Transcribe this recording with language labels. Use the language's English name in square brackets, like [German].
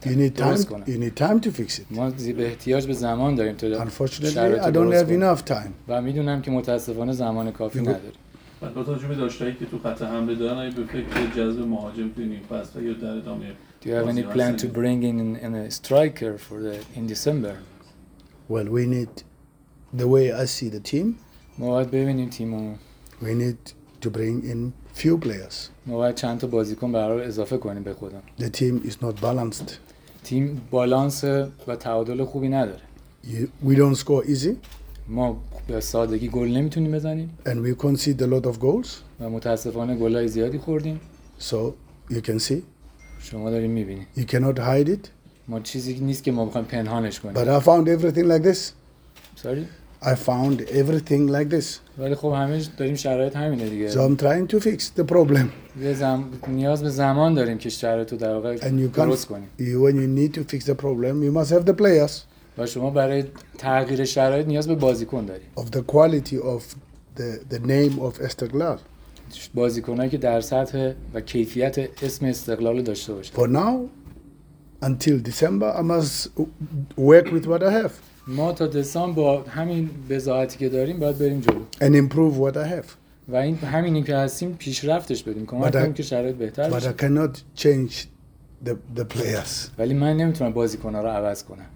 [English] You need time to fix it. [Persian] ما به احتیاج به زمان داریم تو. [English] Unfortunately, I don't have enough time. [Persian] و میدونم که متاسفانه زمان کافی نداریم. با توجه به داشتایی که تو خط حمله دارن، اگه به فکر جذب مهاجم تونیم پس یا در ادامه [English] Do you have any plan to bring in a striker in December? Well, we need the way I see the team. [Persian] ما باید ببینیم تیم. [English] We need to bring in few players. [Persian] ما باید چند تا بازیکن برای اضافه کنیم به خودم. [English] The team is not balanced. [Persian] تیم بالانس و تعادل خوبی نداره. [English] We don't score easy. [Persian] ما به سادگی گل نمیتونیم بزنیم. [English] And we concede a lot of goals. [Persian] و متاسفانه گلای زیادی خوردیم. [English] So you can see. [Persian] شما دارین میبینین. [English] You cannot hide it. [Persian] ما چیزی نیست که ما بخوایم پنهانش کنیم. [English] But I found everything like this. Sorry. I found everything like this. [Persian] ولی خب همیش داریم شرایط همینه دیگه. [English] So I'm trying to fix the problem. [Persian] نیاز به زمان داریم که شرایط رو در واقع درست کنیم. [English] When you need to fix the problem, you must have the players. [Persian] و شما برای تغییر شرایط نیاز به بازیکن داریم. [English] Of the quality of the name of Esteghlal. [Persian] بازیکنایی که در سطح و کیفیت اسم استقلال داشته باشه. [English] For now, until December, I must work with what I have. [Persian] ما تا دسامبر با همین بضاعتی که داریم باید بریم جلو. [English] And improve what I have. [Persian] و این همینی که هستیم پیشرفتش بدیم. کمک کنیم که شرایط بهتر بشه. [English] But I cannot change the players. [Persian] ولی من نمیتونم بازیکن‌ها رو عوض کنم.